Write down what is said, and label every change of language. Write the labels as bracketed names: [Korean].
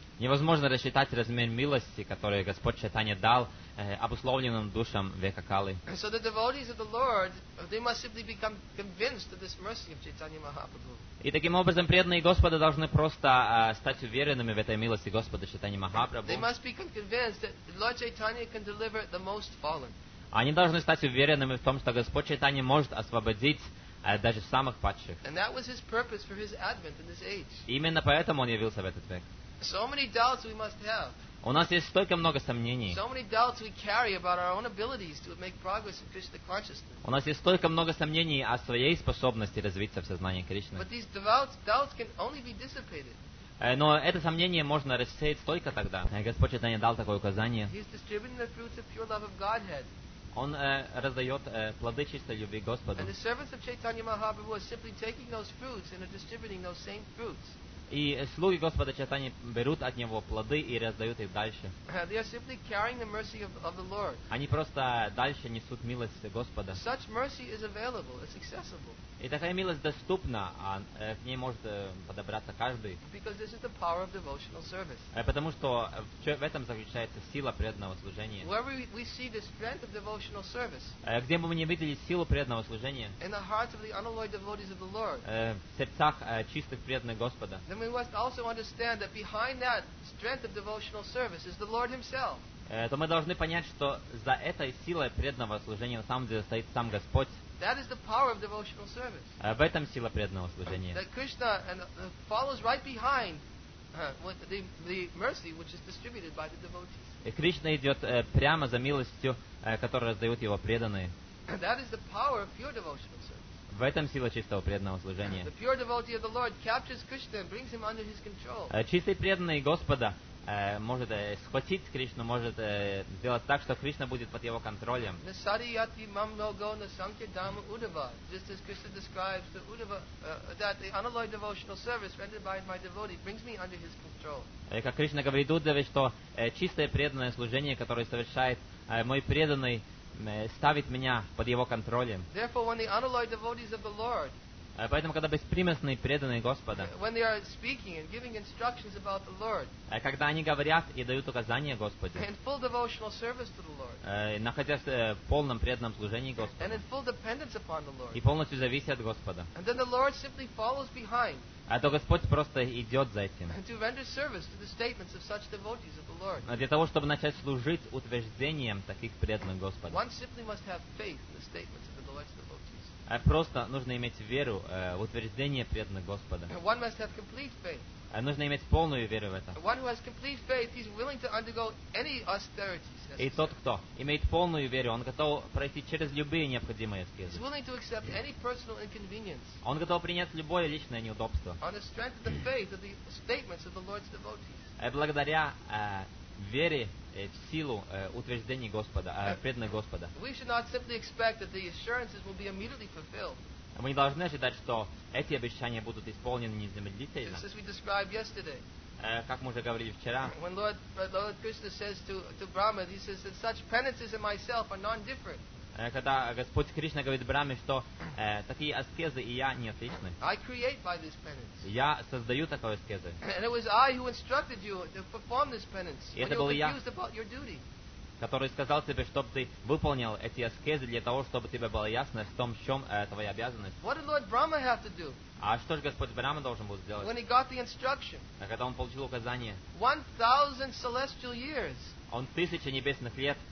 [Russian] Невозможно рассчитать размер милости, который Господь Чайтанья дал обусловленным душам века Кали. [English] So the devotees of the Lord, they must simply become convinced of this mercy of Chaitanya Mahaprabhu. [Russian] И таким образом преданные Господа должны просто стать уверенными в этой милости Господа Чайтанья Махапрабху. [English] They must become convinced that Lord Chaitanya can deliver the most fallen. [Russian] Они должны стать уверенными в том, что Господь Чайтанья может освободить даже самых падших. [English] And that was his purpose for his advent in this age. [Russian] Именно поэтому он явился в этот век. [English] So many doubts we must have. [Russian] У нас есть столько много сомнений. [English] So many doubts we carry about our own abilities to make progress in Krishna consciousness. [Russian] У нас есть столько много сомнений о своей способности развиться в сознании Кришны. [English] But these doubts can only be dissipated. [Russian] Но это сомнение можно рассеять только тогда. Господь Чайтанья дал такое указание. [English] He is distributing the fruits of pure love of Godhead. [Russian] Он раздает плоды чистой любви Господу. [English] And the servants of Chaitanya Mahaprabhu are simply taking those fruits and are distributing those same fruits. [Russian] И слуги Господа Чайтаньи берут от него плоды и раздают их дальше. [English] They are simply carrying the mercy of the Lord. [Russian] Они просто дальше несут милость Господа. [English] Such mercy is available, it's accessible. [Russian] И такая милость доступна, а к ней может подобраться каждый. [English] Because this is the power of devotional service. [Russian] Потому что в этом заключается сила преданного служения. [English] Wherever we see the strength of devotional service. [Russian] Где бы мы ни видели силу преданного служения. [English] In the hearts of the unalloyed devotees of the Lord. [Russian] В сердцах чистых преданных Господа. [English] Then we must also understand that behind that strength of devotional service is the Lord Himself. [Russian] То мы должны понять, что за этой силой преданного служения на самом деле стоит сам Господь. [English] That is the power of devotional service. [Russian] В этом сила преданного служения. [English] That Krishna and follows right behind with the mercy which is distributed by the devotees. [Russian] И Кришна идет прямо за милостью, которую раздают его преданные. [English] That is the power of pure devotional service. [Russian] В этом сила чистого преданного служения. [English] The pure devotee of the Lord captures Krishna and brings him under his control. [Russian] Чистый преданный Господа может схватить Кришну, может сделать так, что Кришна будет под его контролем. [Sanskrit] Nasari yati mam no go nasankhya dhamma Uddhava. [English] Just as Krishna describes the Uddhava, that the unalloyed devotional service rendered by my devotee brings me under his control. [Russian] Как Кришна говорит Уддхаве, что чистое преданное служение, которое совершает мой преданный, ставит меня под его контролем. [English] Therefore, when the unalloyed devotees of the Lord, [Russian] поэтому, когда беспримесные преданные Господа, [English] when they are speaking and giving instructions about the Lord, [Russian] когда они говорят и дают указания Господу, [English] and full devotional service to the Lord, [Russian] находясь в полном преданном служении Господу, [English] and in full dependence upon the Lord, [Russian] и полностью зависит от Господа, [English] and then the Lord simply follows behind, [Russian] то Господь просто идет за этим. [English] And to render service to the statements of such devotees of the Lord. [Russian] Для того, чтобы начать служить утверждением таких преданных Господа. [English] One simply must have faith in the statements of the Lord's devotees. [Russian] Просто нужно иметь веру в утверждение преданных Господа. [English] One must have complete faith. [Russian] Нужно иметь полную веру в это. [English] One who has complete faith, he's willing to undergo any austerities. [Russian] И тот, кто имеет полную веру, он готов пройти через любые необходимые аскезы. [English] He's willing to accept any personal inconvenience. [Russian] Он готов принять любое личное неудобство. [English] On the strength of the faith of the statements of the Lord's devotees. [Russian] Благодаря вере в силу утверждений Господа, преданных Господа. [English] We should not simply expect that the assurances will be immediately fulfilled. [Russian] Мы не должны ожидать, что эти обещания будут исполнены незамедлительно. [English] As we described yesterday. [Russian] Как мы уже говорили вчера. [English] When Lord Krishna says to Brahma, he says that such penances as myself are non-different. [Russian] Когда Господь Кришна говорит Браме, что такие аскезы и я не отличны. [English] I create by this penance. [Russian] Я создаю такое аскезы. [English] And it was I who instructed you to perform this penance. [Russian] И это был я, [English] about your duty. [Russian] Который сказал тебе, чтобы ты выполнил эти аскезы для того, чтобы тебе было ясно, в том, в чем твоя обязанность. [English] What did Lord Brahma have to do? [Russian] А что же Господь Брама должен был сделать? [English] When he got the instruction. [Russian] А когда он получил указание? [English] 1,000 celestial years. [Russian] Он тысяча небесных лет.